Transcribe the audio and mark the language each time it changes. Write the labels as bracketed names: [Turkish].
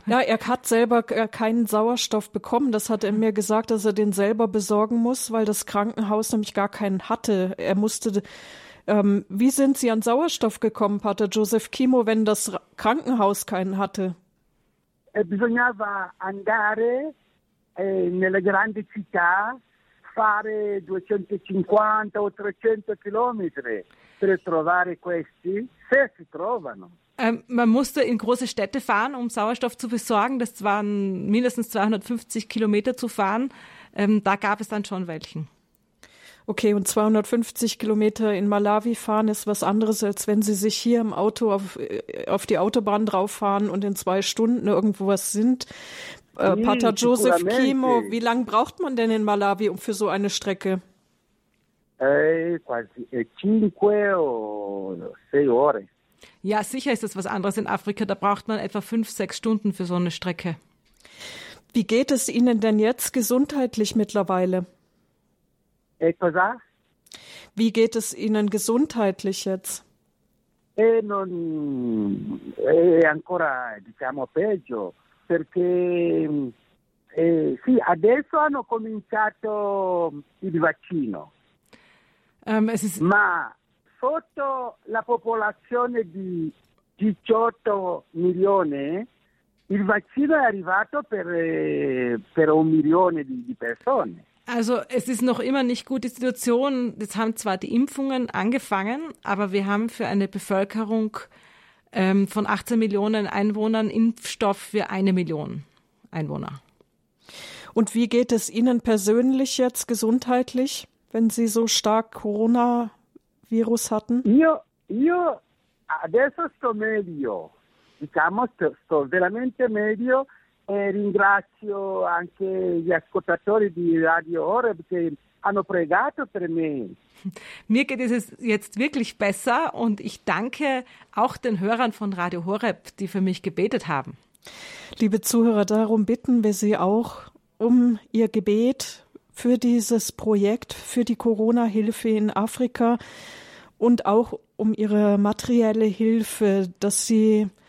[German] Ja, er hat selber keinen Sauerstoff bekommen. Das hat er mir gesagt, dass er den selber besorgen muss, weil das Krankenhaus nämlich gar keinen hatte. Er musste... wie sind Sie an Sauerstoff gekommen, Pater Joseph Kimo, wenn das Krankenhaus keinen hatte? [Italian] Bisognava andare nelle grandi città, fare 250 o 300 chilometri per trovare questi, se si trovano. [German] Man musste in große Städte fahren, um Sauerstoff zu besorgen. Das waren mindestens 250 Kilometer zu fahren. Da gab es dann schon welchen. Okay, und 250 Kilometer in Malawi fahren ist was anderes, als wenn Sie sich hier im Auto auf die Autobahn drauffahren und in zwei Stunden irgendwo was sind. Pater Joseph Kimo, wie lange braucht man denn in Malawi für so eine Strecke? [Italian] Quasi 5 o 6 ore. [German] Ja, sicher ist das was anderes in Afrika. Da braucht man etwa 5-6 Stunden für so eine Strecke. Wie geht es Ihnen denn jetzt gesundheitlich mittlerweile? [Italian] Cosa? [German] Wie geht es Ihnen gesundheitlich jetzt? [Italian] Non è ancora, diciamo, peggio, perché sì, adesso hanno cominciato il vaccino. Ma sotto la popolazione di 18 milioni, il vaccino è arrivato per 1 milione di persone. [German] Also es ist noch immer nicht gut, die Situation, jetzt haben zwar die Impfungen angefangen, aber wir haben für eine Bevölkerung von 18 Millionen Einwohnern Impfstoff für 1 Million Einwohner. Und wie geht es Ihnen persönlich jetzt gesundheitlich, wenn Sie so stark Coronavirus hatten? [Italian] Io adesso sto meglio, diciamo sto veramente meglio. Ringrazio anche gli ascoltatori di Radio Horeb, che hanno pregato per me. [German] Mir geht es jetzt wirklich besser und ich danke auch den Hörern von Radio Horeb, die für mich gebetet haben. Liebe Zuhörer, darum bitten wir Sie auch um Ihr Gebet für dieses Projekt, für die Corona-Hilfe in Afrika und auch um Ihre materielle Hilfe, dass Sie...